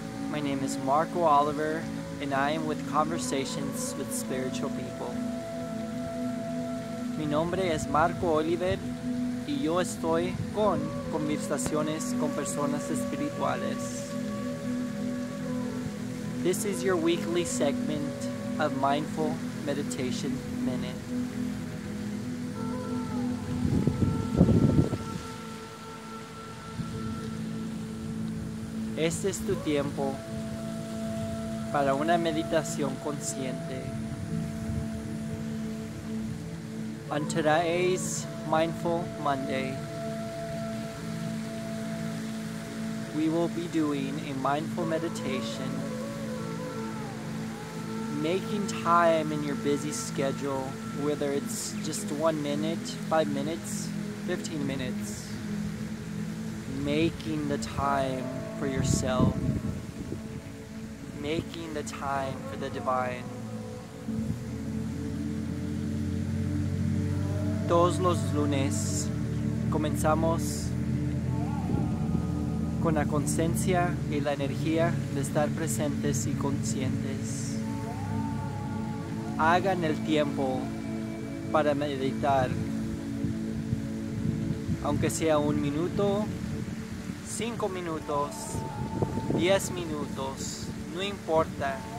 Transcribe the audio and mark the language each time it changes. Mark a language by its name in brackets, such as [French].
[English] My name is Marco Oliver, and I am with Conversations with Spiritual People. [Spanish] Mi nombre es Marco Oliver, y yo estoy con Conversaciones con Personas Espirituales. [English] This is your weekly segment of Mindful Meditation Minute. [Spanish] Este es tu tiempo para una meditación consciente. [English] On today's Mindful Monday, we will be doing a mindful meditation, making time in your busy schedule, whether it's just 1 minute, 5 minutes, 15 minutes, making the time for yourself, making the time for the divine. [Spanish] Todos los lunes comenzamos con la conciencia y la energía de estar presentes y conscientes. Hagan el tiempo para meditar, aunque sea 1 minuto, 5 minutos, 10 minutos, no importa.